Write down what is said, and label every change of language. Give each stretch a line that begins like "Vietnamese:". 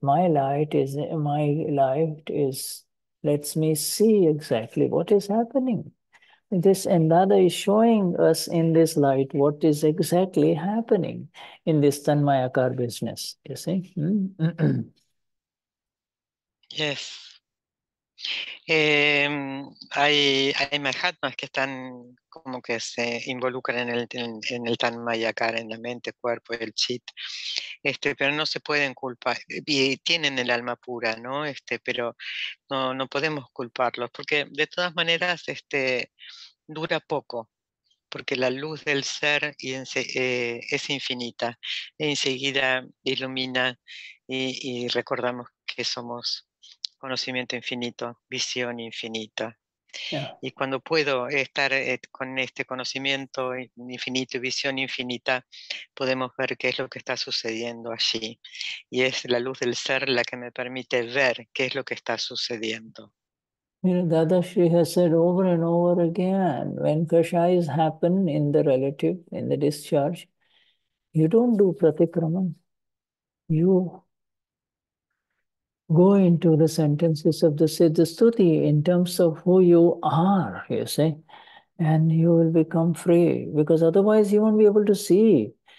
English: My light is lets me see exactly what is happening. This and that is showing us in this light what is exactly happening in this Tanmayakar business. You see? Yes.
Spanish: Hay mahatmas que están como que se involucran en el tanmayakar, en la mente, cuerpo, el chit, pero no se pueden culpar, y tienen el alma pura, ¿no? Pero no podemos culparlos, porque de todas maneras dura poco, porque la luz del ser es infinita, e enseguida ilumina y recordamos que somos conocimiento infinito, visión infinita. Yeah. Y cuando puedo estar con este conocimiento infinito y visión infinita, podemos ver qué es lo que está sucediendo allí. Y es la luz del ser la que me permite ver qué es lo que está sucediendo.
English: You know, Dadashri has said over and over again, when kashayas happen in the relative, in the discharge, you don't do pratikraman. You go into the sentences of the Siddha Stuti in terms of who you are, you see, and you will become free, because otherwise you won't be able to see.